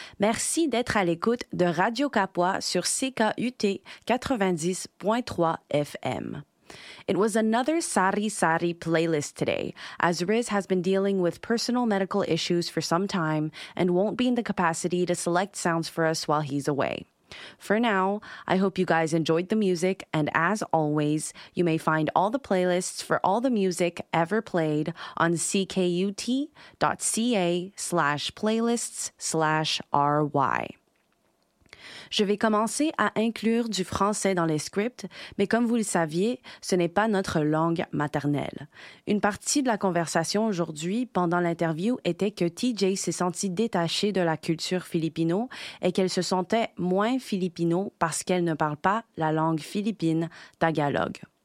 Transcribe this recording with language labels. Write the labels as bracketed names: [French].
[French] Merci d'être à l'écoute de Radio Kapwa sur CKUT 90.3 FM. [English] It was another Sari Sari playlist today, as Riz has been dealing with personal medical issues for some time and won't be in the capacity to select sounds for us while he's away. For now, I hope you guys enjoyed the music, and as always, you may find all the playlists for all the music ever played on ckut.ca/playlists/ry. [French] Je vais commencer à inclure du français dans les scripts, mais comme vous le saviez, ce n'est pas notre langue maternelle. Une partie de la conversation aujourd'hui pendant l'interview était que TJ s'est senti détaché de la culture philippino et qu'elle se sentait moins philippino parce qu'elle ne parle pas la langue philippine Tagalog.